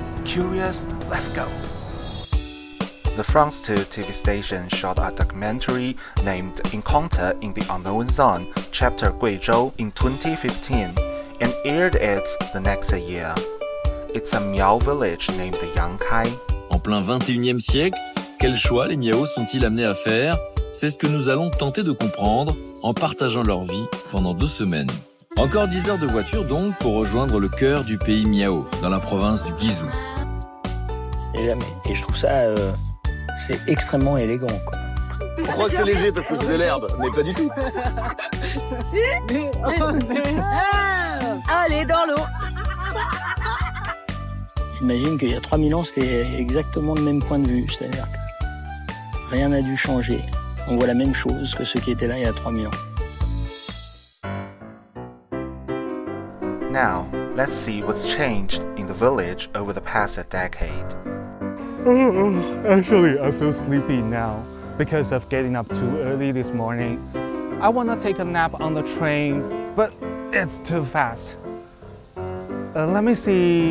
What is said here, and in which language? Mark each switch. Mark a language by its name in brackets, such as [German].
[English] Curious? Let's go! The France 2 TV station shot a documentary named Encounter in the Unknown Zone, Chapter Guizhou in 2015, and aired it the next year. It's a Miao village named Yangkai. [French] En plein 21e siècle, quel choix les Miao sont-ils amenés à faire? C'est ce que nous allons tenter de comprendre en partageant leur vie pendant 2 semaines. Encore 10 heures de voiture donc pour rejoindre le cœur du pays Miao, dans la province du Guizhou. Jamais. Et je trouve ça... c'est extrêmement élégant, quoi. On croit que c'est léger parce que c'est de l'herbe, mais pas du tout. Allez, dans l'eau. J'imagine qu'il y a 3000 ans, c'était exactement le même point de vue. C'est-à-dire que rien n'a dû changer. On voit la même chose que ceux qui étaient là il y a 3000 ans. [English] Now, let's see what's changed in the village over the past decade. Actually, I feel sleepy now because of getting up too early this morning. I want to take a nap on the train, but it's too fast. Let me see.